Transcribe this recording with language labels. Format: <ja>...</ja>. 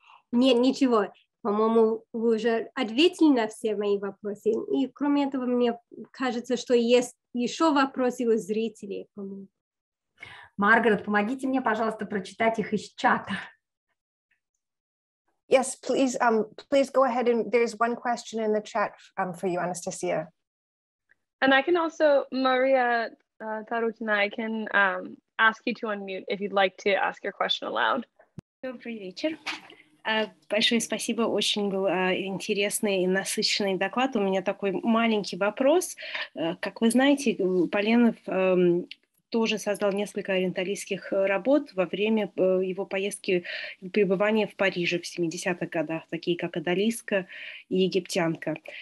<ru>Нет, ничего. По-моему, вы уже ответили на все мои вопросы. И кроме этого, мне кажется, что есть еще вопросы у зрителей, по-моему. Маргарет, помогите мне, пожалуйста, прочитать их из чата.</ru> <en>Yes, please, please go ahead. And there's one question in the chat for you, Anastasia. And I can also, Maria Tarutina, I can ask you to unmute if you'd like to ask your question aloud.</en> <ru>Добрый вечер. Большое спасибо, очень был интересный и насыщенный доклад. У меня такой маленький вопрос. Как вы знаете, Поленов тоже создал несколько ориенталистских работ во время его поездки и пребывания в Париже в 70-х годах, такие как «Одалиска» и «Египтянка».</ru>